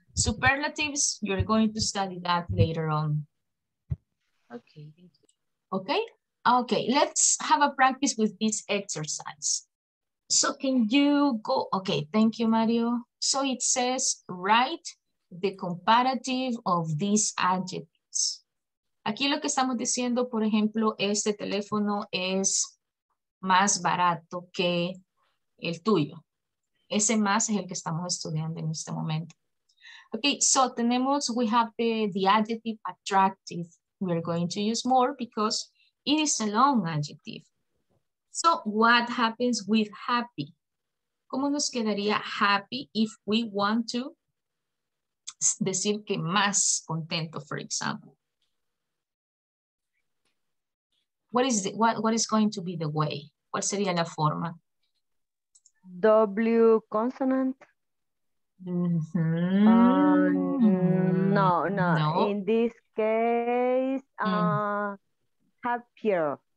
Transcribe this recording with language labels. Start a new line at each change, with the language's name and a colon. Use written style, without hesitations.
English: Superlatives, you're going to study that later on. Okay. Okay? Okay, let's have a practice with this exercise. So can you go? Okay, thank you, Mario. So it says, write the comparative of this adjective.
Spanish: Aquí lo que estamos diciendo, por ejemplo, este teléfono es más barato que el tuyo. Ese más es el que estamos estudiando en este momento.
English: Okay, so
Spanish: tenemos,
English: we have the adjective attractive. We are going to use more because it is a long adjective. So what happens with happy?
Spanish: ¿Cómo nos quedaría happy
English: if we want to
Spanish: decir que más contento,
English: for example? What is the, what is going to be the way?
Spanish: ¿Cuál sería la forma?
English: W consonant. Mm-hmm. No. In this case, happier.